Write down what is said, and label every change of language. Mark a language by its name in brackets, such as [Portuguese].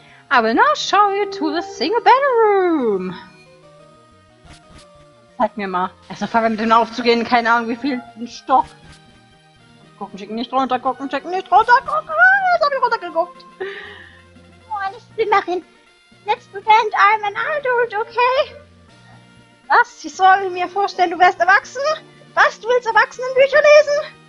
[English] I will now show you to the single battle room! [German] Zeig mir mal. Erstmal fangen wir mit dem aufzugehen, keine Ahnung wie viel Stoff. Gucken, schicken nicht runter, gucken, schicken nicht runter, gucken! Jetzt hab ich runtergeguckt! Oh, eine Spielmachin! [English] Let's pretend I'm an adult, okay? [German] Was? Ich soll mir vorstellen, du wärst erwachsen? Was? Du willst Erwachsenenbücher lesen?